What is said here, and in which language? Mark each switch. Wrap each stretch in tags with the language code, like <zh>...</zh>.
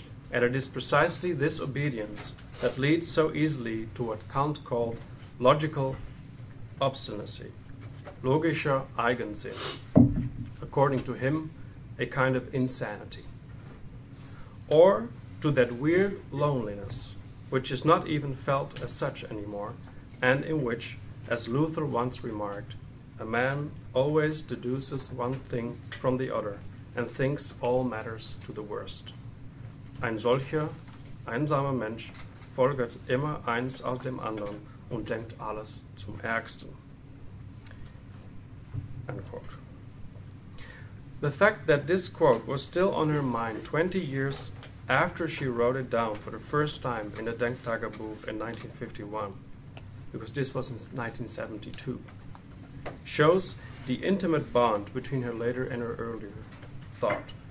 <en>And it is precisely this obedience that leads so easily to what Kant called logical obstinacy, logischer Eigensinn, according to him, a kind of insanity, or to that weird loneliness which is not even felt as such anymore, and in which, as Luther once remarked, a man always deduces one thing from the other and thinks all matters to the worst.</en> <de>Ein solcher, einsamer Mensch folgert immer eins aus dem anderen und denkt alles zum Ärgsten.</de> <en>End quote. The fact that this quote was still on her mind 20 years after she wrote it down for the first time in the Denktagebuch in 1951, because this was in 1972, shows the intimate bond between her later and her earlier thought.</en>